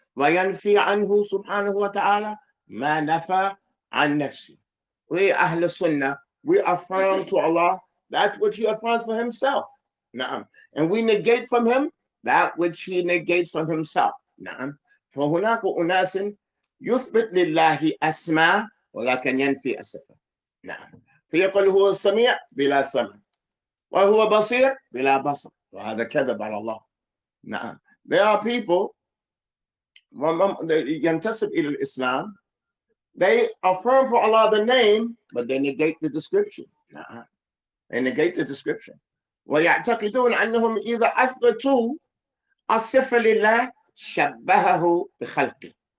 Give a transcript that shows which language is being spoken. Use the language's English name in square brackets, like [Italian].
[Arabic] وينفي عنه سبحانه وتعالى ما نفى عن نفسه. [English] We أهل السنة, we affirm to Allah that which he affirms for himself. [Arabic] نعم. [English] And we negate from him that which he negates from himself. [Arabic] نعم. فهناك أناس يثبت لله أسماء ولكن ينفي الصفة. نعم. فيقول هو السميع بلا سمع. وهو بصير بلا بصر. وهذا كذب على الله. نعم. [English] There are people [Arabic] ينتسب إلى الإسلام. [English] They affirm for Allah the name, but they negate the description. They negate the description. [Arabic] ويعتقدون أنهم إذا أثبتوا الصفة لله شبهه بخلقه.